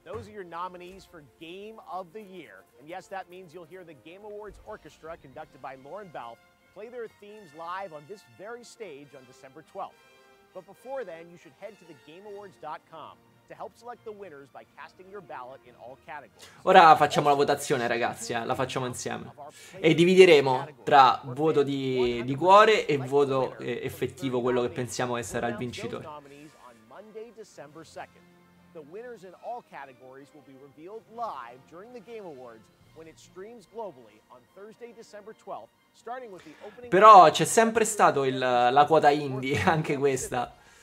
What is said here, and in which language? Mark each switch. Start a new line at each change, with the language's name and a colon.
English: Those are your nominees for Game of the Year. And yes, that means you'll hear the Game Awards Orchestra conducted by Lauren Balfe play their themes live on this very stage on December 12th. But before then, you should head to thegameawards.com to help select the winners by casting your ballot in all categories.
Italian: Ora facciamo la votazione, ragazzi, la facciamo insieme. E divideremo tra voto di cuore e voto effettivo, quello che pensiamo essere il vincitore.
English: Monday, December 2nd. The winners in all categories will be revealed live during the Game Awards when it streams globally on Thursday, December 12th.
Italian: Però c'è sempre stato la quota indie, anche questa.